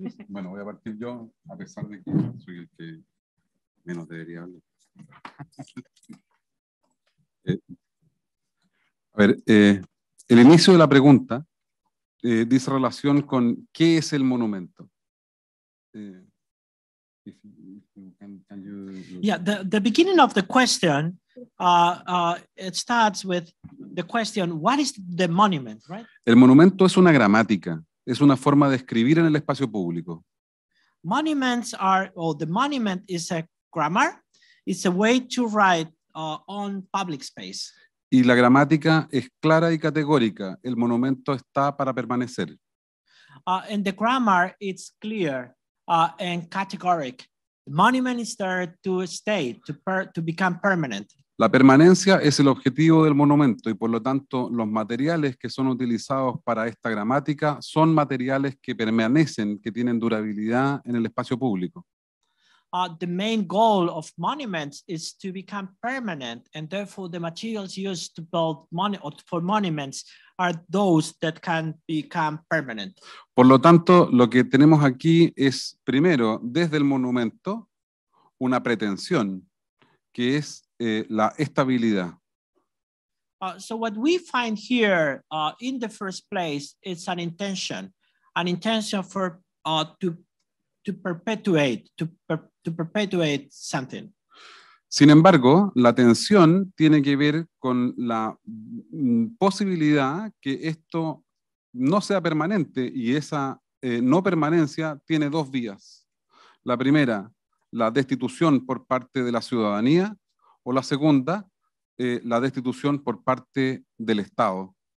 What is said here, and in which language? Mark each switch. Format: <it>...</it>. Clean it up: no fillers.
<es>Bueno, voy a partir yo, a pesar de que soy el que menos debería hablar. El inicio de la pregunta dice relación con qué es el monumento.</es> <en>The beginning of the question it starts with the question, what is the monument, right?</en> <es>El monumento es una gramática. Es una forma de escribir en el espacio público.</es> <en>Monuments are, or the monument is a grammar. It's a way to write on public space.</en> <es>Y la gramática es clara y categórica. El monumento está para permanecer.</es> <en>And the grammar, it's clear and categoric. The monument is there to stay, to become permanent.</en> <es>La permanencia es el objetivo del monumento y por lo tanto los materiales que son utilizados para esta gramática son materiales que permanecen, que tienen durabilidad en el espacio público.</es> <en>The main goal of monuments is to become permanent, and therefore the materials used to build for monuments are those that can become permanent.</en> <es>Por lo tanto, lo que tenemos aquí es primero desde el monumento una pretensión que es la estabilidad.</es> <en>So what we find here in the first place is an intention for to perpetuate something.</en> <es>Sin embargo, la tensión tiene que ver con la posibilidad que esto no sea permanente y esa no permanencia tiene dos vías. La primera, la destitución por parte de la ciudadanía, o la segunda, la destitución por parte del Estado.</es>